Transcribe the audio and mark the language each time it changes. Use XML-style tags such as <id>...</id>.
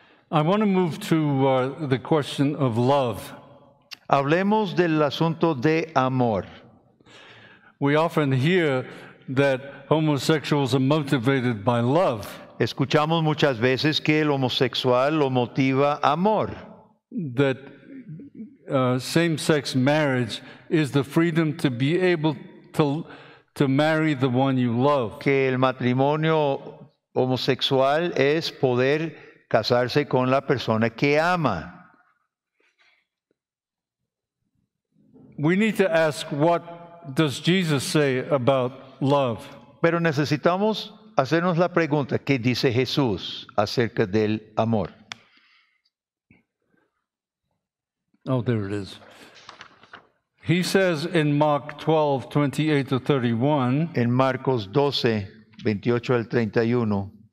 <en>I want to move to the question of love.</en> <es>Hablemos del asunto de amor.</es> <en>We often hear that homosexuals are motivated by love.</en> <es>escuchamos muchas veces que el homosexual lo motiva amor.</es> <en>That same-sex marriage is the freedom to be able to marry the one you love.</en> <es>Que el matrimonio homosexual es poder casarse con la persona que ama.</es> <en>We need to ask, what does Jesus say about love?</en> <es>Pero necesitamos hacernos la pregunta, ¿qué dice Jesús acerca del amor?</es> <en>Oh, there it is. He says in Mark 12, 28 to 31.</en> <es>En Marcos 12, 28 al 31.</es>